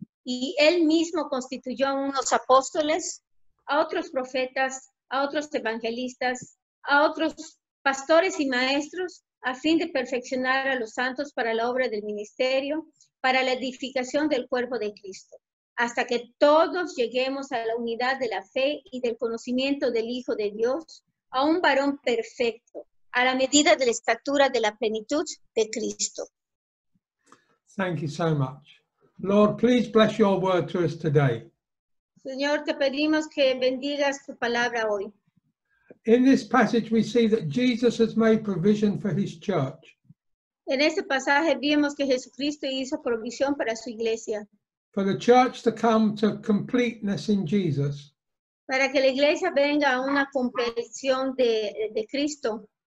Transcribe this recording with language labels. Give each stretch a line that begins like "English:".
Spanish: Y él mismo constituyó a unos apóstoles, a otros profetas, a otros evangelistas, a otros pastores y maestros, a fin de perfeccionar a los santos para la obra del ministerio, para la edificación del cuerpo de Cristo, hasta que todos lleguemos a la unidad de la fe y del conocimiento del Hijo de Dios, a un varón perfecto, a la medida de la estatura de la plenitud de Cristo.
English: Thank you so much. Lord, please bless your word to us today.
Spanish: Señor, te pedimos que bendigas tu palabra hoy.
English: In this passage, we see that Jesus has made provision for his church.
Spanish: En este pasaje vimos que Jesucristo hizo provisión para su iglesia.
English: For the church to come to completeness in Jesus.
Spanish: Para que la iglesia venga a una completión de Cristo.